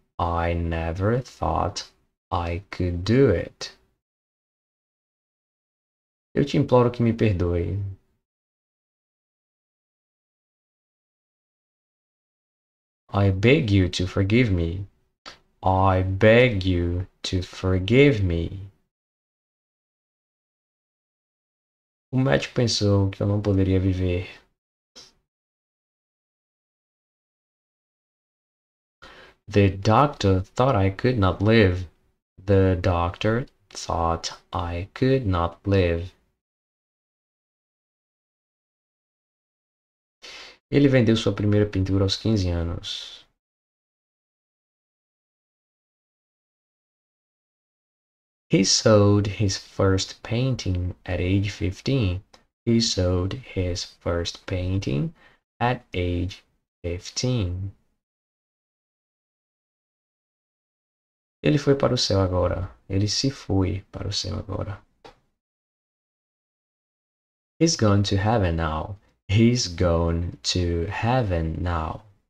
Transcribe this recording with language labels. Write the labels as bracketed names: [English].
[English] I never thought I could do it. [Portuguese] Eu te imploro que me perdoe. [English] I beg you to forgive me. I beg you to forgive me. [Portuguese] O médico pensou que eu não poderia viver. [English] The doctor thought I could not live. The doctor thought I could not live. [Portuguese] Ele vendeu sua primeira pintura aos 15 anos. [English] He sold his first painting at age 15. He sold his first painting at age 15. [Portuguese] Ele foi para o céu agora. Ele se foi para o céu agora. [English] He's gone to heaven now. He's gone to heaven now.